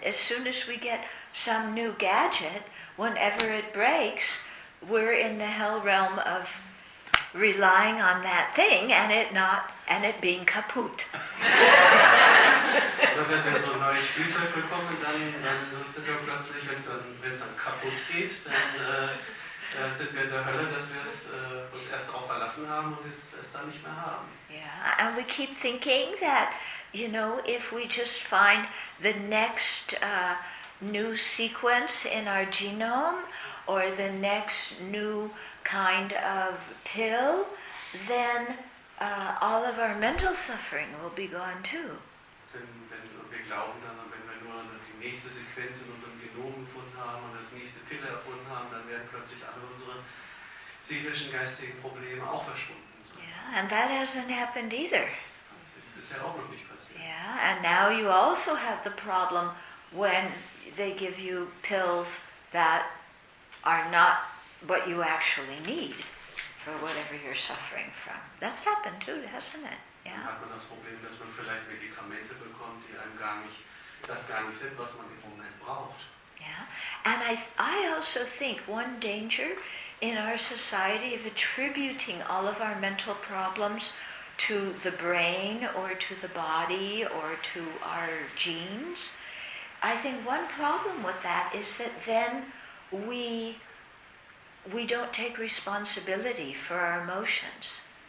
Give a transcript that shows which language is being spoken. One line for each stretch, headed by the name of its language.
English: As soon as we get some new gadget, whenever it breaks, we're in the hell realm of relying on that thing and it not and it being kaputt.
German: Wenn wir so ein neues Spielzeug bekommen, dann sind wir plötzlich, wenn es dann kaputt geht, dann sind wir in der Hölle, dass wir es uns erst darauf verlassen haben und es dann nicht mehr haben.
English: Yeah, and we keep thinking that, you know, if we just find the next new sequence in our genome or the next new kind of pill, then all of our mental suffering will be gone too.
German: Wenn wir glauben dann, wenn wir nur die nächste Sequenz in unserem Genom gefunden haben und das nächste Pille erfunden haben, dann werden plötzlich alle unsere seelischen, geistigen Probleme auch verschwunden.
English: So. Yeah, and that hasn't happened either.
German: Ist bisher auch noch nicht passiert.
English: Yeah, and now you also have the problem when they give you pills that are not what you actually need for whatever you're suffering from. That's happened too, hasn't it? Yeah.
German: Hat man das Problem, dass man vielleicht Medikamente bekommt, die einem gar nicht sind, was man im Moment braucht.
English: Yeah. And I also think one danger in our society of attributing all of our mental problems to the brain or to the body or to our genes. I think one problem with that is that then we don't take responsibility for our emotions.